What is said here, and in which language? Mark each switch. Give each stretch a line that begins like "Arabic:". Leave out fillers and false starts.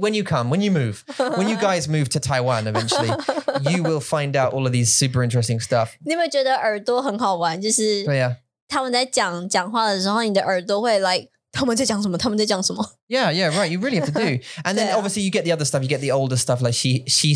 English: When you guys move to Taiwan eventually, you will find out all of these super interesting stuff.
Chinese: 你有没有觉得耳朵很好玩,就是他们在讲话的时候,你的耳朵会 like 他们在讲什么?
English: Yeah, yeah, right. You really have to do. And then obviously you get the other stuff, you get the older stuff like she